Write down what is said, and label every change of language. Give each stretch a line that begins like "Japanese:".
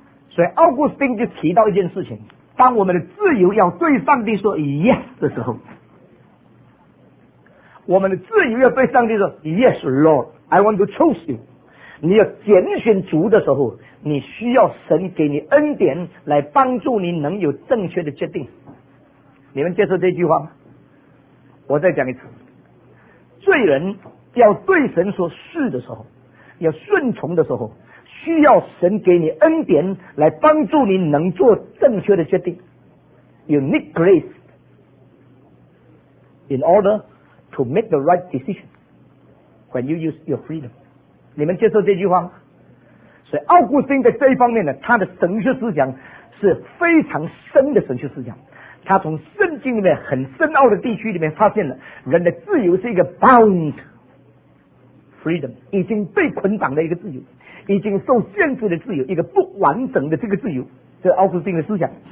Chinese: 所以奥古斯丁就提到一件事情，当我们的自由要对上帝说
English: yes
Chinese: 的时候，我们的自由要对上帝说
English: yes Lord I want to choose you,
Chinese: 你要拣选主的时候，你需要神给你恩典来帮助你能有正确的决定。你们接受这句话吗？我再讲一次，罪人要对神说是的时候，要顺从的时候，需要神给你恩典来帮助你能做正确的决定。
English: You need grace in order to make the right decision when you use your freedom.
Chinese: 你们接受这句话吗？所以奥古斯丁在这一方面呢，他的神学思想是非常深的神学思想。他从圣经里面很深奥的地区里面发现了人的自由是一个
English: bound freedom,
Chinese: 已经被捆绑的一个自由，已经受限制的自由，一个不完整的这个自由。这是奥古斯丁的思想。